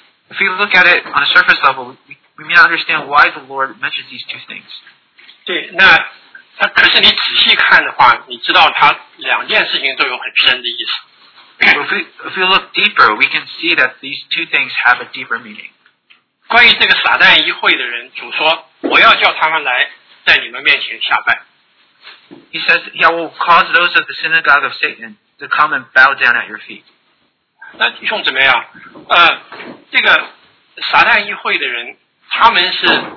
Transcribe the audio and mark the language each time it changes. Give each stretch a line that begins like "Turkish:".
English: If you look at it on a surface level, we may not understand why the Lord mentions these two things.
Chinese: 对，那他可是你仔细看的话，你知道他两件事情都有很深的意思。
English: If we look deeper, we can see that these two things have a deeper meaning.
Chinese: 关于这个撒旦议会的人，主说我要叫他们来在你们面前下拜。
English: He says, "Yeah, will cause those of the synagogue of Satan to come and bow down at your feet."
Chinese: 那弟兄姊妹啊，这个撒旦议会的人，他们是。